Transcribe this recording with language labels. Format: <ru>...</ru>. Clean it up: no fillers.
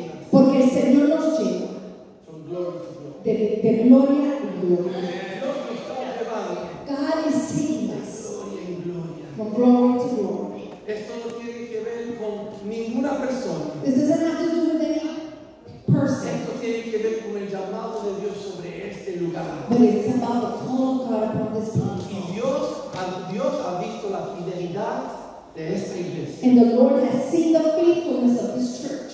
<es>Porque el Señor nos lleva de gloria en gloria.</es> <en>God is taking us from glory to glory.</en> <es>Esto no tiene que ver con ninguna persona.</es> <en>This doesn't have to do with any person.</en> <es>Esto tiene que ver con el llamado de Dios sobre este lugar.</es> <en>But it's about the call of God upon this place.</en> <es>Y Dios ha visto la fidelidad de esta iglesia.</es> <en>And the Lord has seen the faithfulness of this church.</en>